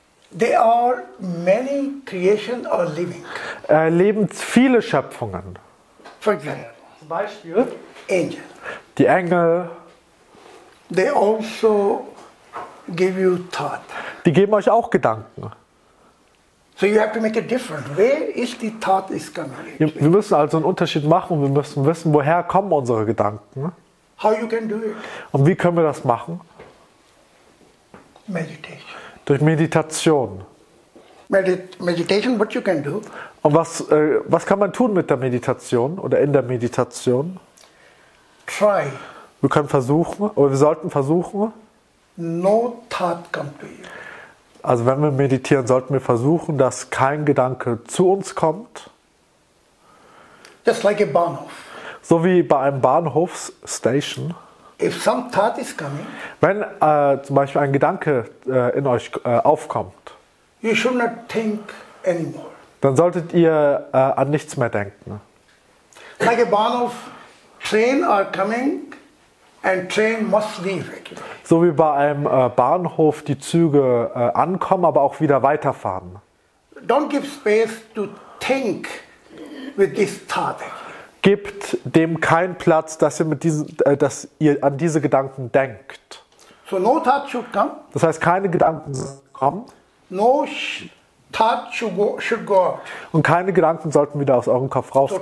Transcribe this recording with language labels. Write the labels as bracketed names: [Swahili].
[English] There are many creations are living. [German] Leben viele Schöpfungen. [English] For example, [German] zum Beispiel [English] Angel. [German] Die Engel. [English] They also give you thought. [German] Die geben euch auch Gedanken. [English] So you have to make a difference. Where is the thought is coming? [German] Wir müssen also einen Unterschied machen. Wir müssen wissen, woher kommen unsere Gedanken. [English] How you can do it? [German] Und wie können wir das machen? [English] Meditation. [German] Durch Meditation. [English] Meditation, what you can do? [German] Und was kann man tun mit der Meditation oder in der Meditation? [English] try. [German] Wir können versuchen, oder wir sollten versuchen. [English] No thought comes to you. [German] Also wenn wir meditieren, sollten wir versuchen, dass kein Gedanke zu uns kommt. [English] Just like a Bahnhof. [German] So wie bei einem Bahnhofsstation. [English] If some thought is coming, [German] wenn zum Beispiel ein Gedanke in euch aufkommt, [English] you should not think anymore. [German] Dann solltet ihr an nichts mehr denken. [English] Like a Bahnhof, train are coming and train must leave regularly. [German] So wie bei einem Bahnhof die Züge ankommen, aber auch wieder weiterfahren. [English] Don't give space to think with this thought. [German] Gebt dem keinen Platz, dass ihr mit diesen, dass ihr an diese Gedanken denkt. [English] So no thought should come. [German] Das heißt, keine Gedanken kommen. [English] No thought should go out. [German] Und keine Gedanken sollten wieder aus eurem Kopf rausgehen.